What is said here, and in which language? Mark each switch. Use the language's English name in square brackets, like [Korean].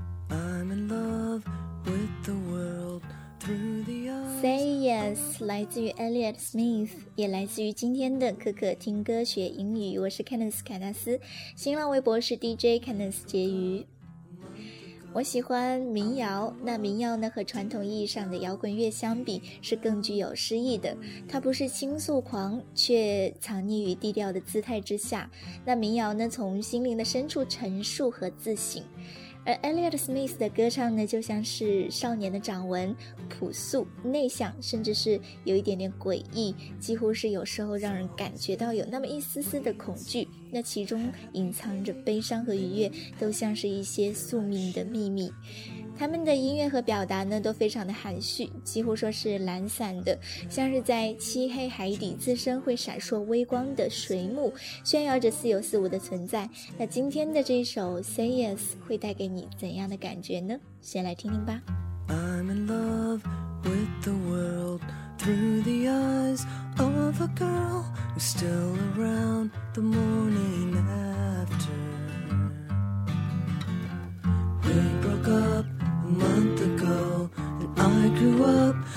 [English] I'm in love with the world through the eyes. [Chinese] Say Yes 来自于 Elliot Smith， 也来自于今天的可可听歌学英语。我是 Candice 凯纳斯，新浪微博是 DJ Candice 婕妤。我喜欢民谣，那民谣呢和传统意义上的摇滚乐相比是更具有诗意的，它不是倾诉狂，却藏匿于低调的姿态之下。那民谣呢从心灵的深处陈述和自省，而 Elliot Smith 的歌唱呢就像是少年的掌纹，朴素内向，甚至是有一点点诡异，几乎是有时候让人感觉到有那么一丝丝的恐惧，那其中隐藏着悲伤和愉悦，都像是一些宿命的秘密。他们的音乐和表达呢都非常的含蓄，几乎说是懒散的，像是在漆黑海底自身会闪烁微光的水幕，炫耀着似有似无的存在。那今天的这首 Say Yes 会带给你怎样的感觉呢？先来听听吧。 [English] I'm in love with the world through the eyes of a girl who's still around the morning after We broke upA month ago, and I grew up.